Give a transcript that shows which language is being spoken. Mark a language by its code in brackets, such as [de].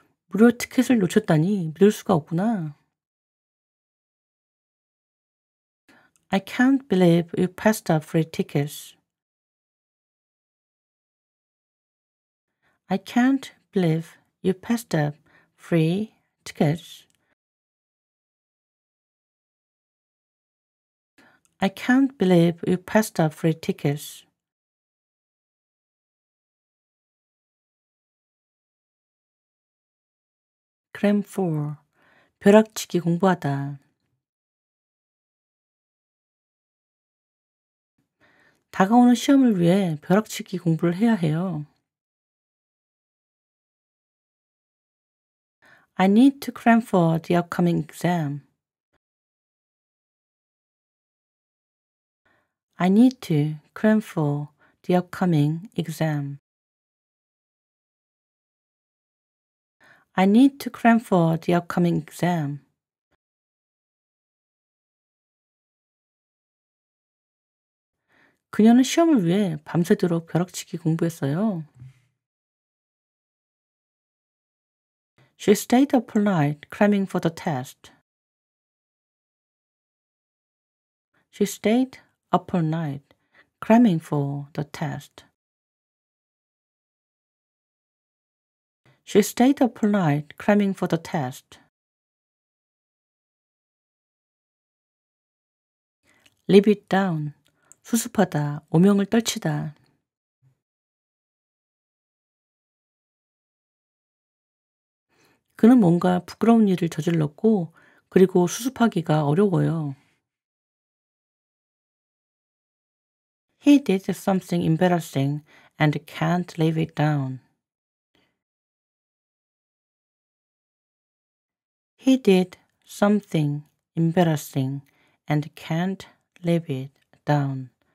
[ko] 무료 티켓을 놓쳤다니 믿을 수가 없구나. [en] I can't believe you passed up free tickets. I can't believe you passed up free tickets. I can't believe you passed up free tickets. [ko] 그램 4. 벼락치기 공부하다. 다가오는 시험을 위해 벼락치기 공부를 해야 해요. [en] I need to cram for the upcoming exam. I need to cram for the upcoming exam. I need to cram for the upcoming exam. [ko] 그녀는 시험을 위해 밤새도록 벼락치기 공부했어요. [en] She stayed up all night cramming for the test. She stayed up all night cramming for the test. She stayed up all night cramming for the test. Leave it down. [ko] 수습하다, 오명을 떨치다. "그는 뭔가 부끄러운 일을 저질렀고 그리고 수습하기가 어려워요." [en] He did something embarrassing and can't leave it down. He did something embarrassing and can't leave it down.